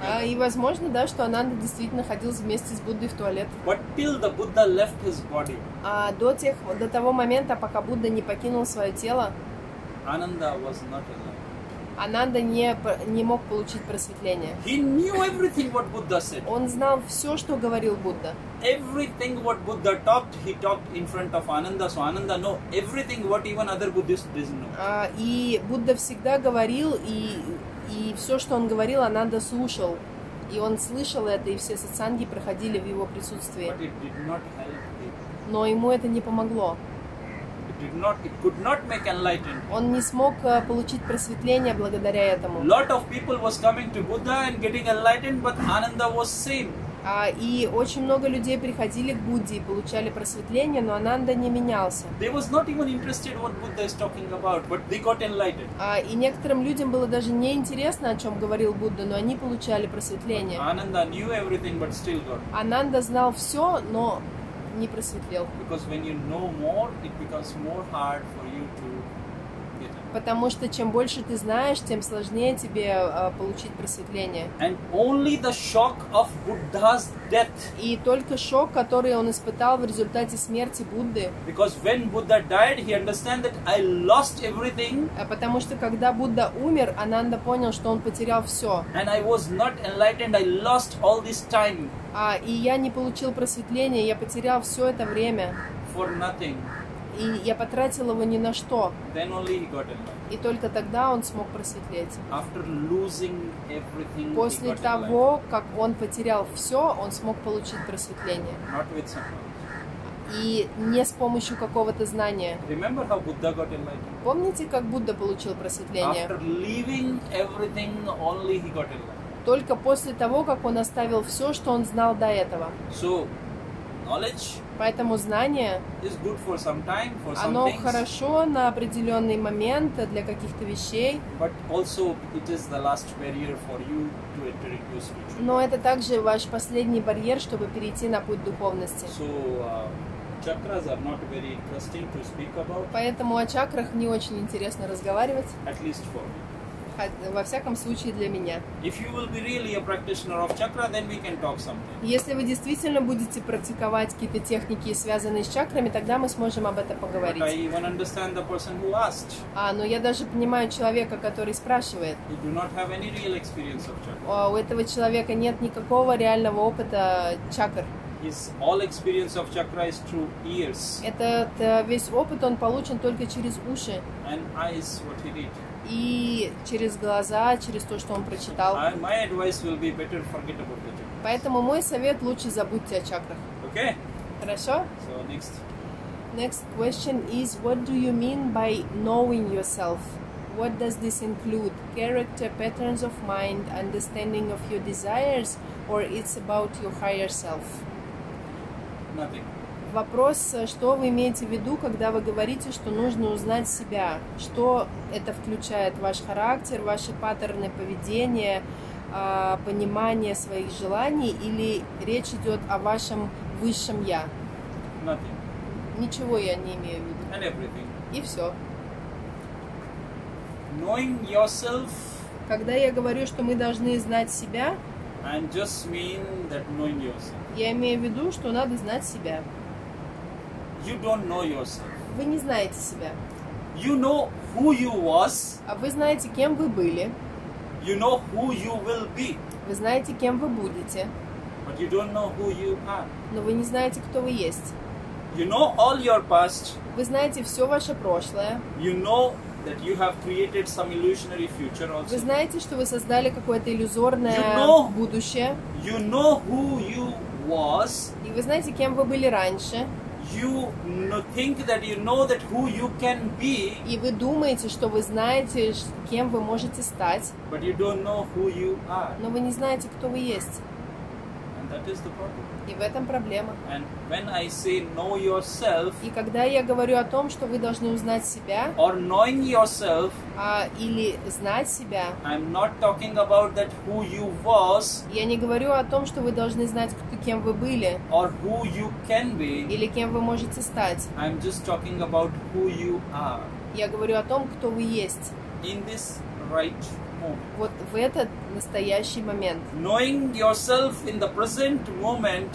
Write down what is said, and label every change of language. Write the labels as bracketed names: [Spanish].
[Russian] И возможно, да, что Ананда действительно ходил вместе с Буддой в туалет. [English] But till the Buddha left his body, [Russian] до того момента, пока Будда не покинул свое тело, [English] Ананда was not alone. [Russian] Ананда не мог получить просветление. [English] He knew everything what Buddha said. [Russian] Он знал все, что говорил Будда. [English] Everything what Buddha talked, he talked in front of Ananda, so Ananda know everything what even other Buddhists didn't know. [Russian] И Будда всегда говорил, и все, что он говорил, Ананда слушал, и он слышал это, и все сатсанги проходили в его присутствии. [English] But it did not help him. [Russian] Но ему это не помогло. [English] It could not make enlightened. [Russian] Он не смог получить просветление благодаря этому. [English] Lot of people was coming to Buddha and getting enlightened, but Ananda was same. [Russian] И очень много людей приходили к Будде и получали просветление, но Ананда не менялся. [English] They was not even interested what Buddha is talking about, but they got enlightened. [Russian] И некоторым людям было даже не интересно, о чем говорил Будда, но они получали просветление. [English] But Ananda knew everything, but still got. [Russian] Ананда знал все, но не просветлел. [English] Because when you know more, it becomes more hard for you to get it. [Russian] Потому что чем больше ты знаешь, тем сложнее тебе получить просветление. [English] And only the shock of Buddha's death. [Russian] И только шок, который он испытал в результате смерти Будды. [English] Because when Buddha died, he understand that I lost everything. [Russian] Потому что когда Будда умер, Ананда понял, что он потерял все. [English] And I was not enlightened. I lost all this time. [Russian] И я не получил просветления, я потерял все это время. [English] For nothing. [Russian] И я потратил его ни на что. [English] Then only he got enlightened. [Russian] И только тогда он смог просветлеть. [English] After losing everything, [Russian] после [English] he got [Russian] того, [English] enlightened. [Russian] Как он потерял все, он смог получить просветление. [English] Not with some knowledge. [Russian] И не с помощью какого-то знания. [English] Remember how Buddha got enlightened? [Russian] Помните, как Будда получил просветление? [English] After leaving everything, only he got enlightened. [Russian] Только после того, как он оставил все, что он знал до этого. [English] So, knowledge, [Russian] поэтому знание, [English] is good for some time, for some [Russian] оно [English] things, [Russian] хорошо на определенный момент для каких-то вещей. [English] But also it is the last barrier for you to enter into spiritual life. [Russian] Но это также ваш последний барьер, чтобы перейти на путь духовности. [English] So, chakras are not very interesting to speak about. [Russian] Поэтому о чакрах не очень интересно разговаривать. [English] At least for me. [Russian] Во всяком случае для меня. [English] If you will be really a practitioner of chakra, then we can talk something. [Russian] Если вы действительно будете практиковать какие-то техники, связанные с чакрами, тогда мы сможем об этом поговорить. [English] But I even understand the person who asked. [Russian] Но я даже понимаю человека, который спрашивает. [English] You do not have any real experience of chakra. [Russian] У этого человека нет никакого реального опыта чакр. [English] His all experience of chakra is through ears. [Russian] Этот весь опыт он получен только через уши. [English] And eyes, what he read. [Russian] И через глаза, через то, что он прочитал. [English] My advice will be better forget about the chakras. [Russian] Поэтому мой совет, лучше забудьте о чакрах. [English] Okay. [Russian] Хорошо? [English] So next. Next question is, what do you mean by knowing yourself? What does this include? Character, patterns of mind, understanding of your desires, or it's about your higher self? Nothing. [Russian] Вопрос, что вы имеете в виду, когда вы говорите, что нужно узнать себя? Что это включает? Ваш характер, ваши паттерны поведения, понимание своих желаний, или речь идет о вашем высшем я? [English] Nothing. [Russian] Ничего я не имею в виду. [English] And everything. [Russian] И все. [English] Knowing yourself. [Russian] Когда я говорю, что мы должны знать себя, [English] I just mean that knowing yourself. [Russian] Я имею в виду, что надо знать себя. [English] You don't know yourself. [Russian] Вы не знаете себя. [English] You know who you was. [Russian] А вы знаете, кем вы были. [English] You know who you will be. [Russian] Вы знаете, кем вы будете. [English] But you don't know who you are. [Russian] Но вы не знаете, кто вы есть. [English] You know all your past. [Russian] Вы знаете все ваше прошлое. [English] You know that you have created some illusionary future also. [Russian] Вы знаете, что вы создали какое-то иллюзорное будущее. [English] You know who you was. [Russian] И вы знаете, кем вы были раньше. [English] You think that you know that who you can be. [Russian] И вы думаете, что вы знаете, кем вы можете стать. [English] But you don't know who you are. [Russian] Но вы не знаете, кто вы есть. [English] And that is the problem. [Russian] И в этом проблема. [English] And when I say know yourself. [Russian] И когда я говорю о том, что вы должны узнать себя. [English] Or knowing yourself. [Russian] Или знать себя. [English] I'm not talking about that who you was. [Russian] Я не говорю о том, что вы должны знать, кто, кем вы были. [English] Or who you can be. [Russian] Или кем вы можете стать. [English] I'm just talking about who you are. [Russian] Я говорю о том, кто вы есть. [English] In this right moment. [Russian] Вот в этот настоящий момент. [English] Knowing yourself in the present moment.